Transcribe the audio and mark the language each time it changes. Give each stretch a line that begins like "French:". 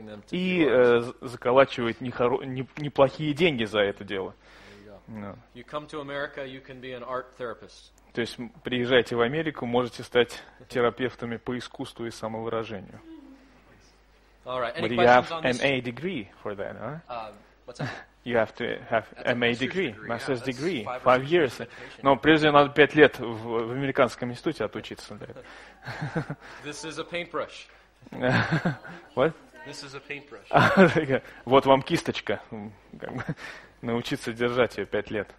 Russian: И заколачивает неплохие деньги за это дело.
English: Yeah.
Russian: То есть приезжайте в Америку, можете стать терапевтами по искусству и самовыражению.
English: All right. But you have MA degree for that, huh? What's that? You have to have That's MA degree, master's yeah, degree, five, five years.
Russian: Но прежде надо 5 лет в американском институте отучиться.
English: This is a paintbrush. What? This is a paintbrush.
Russian: Вот вам кисточка. Научиться держать ее 5 лет.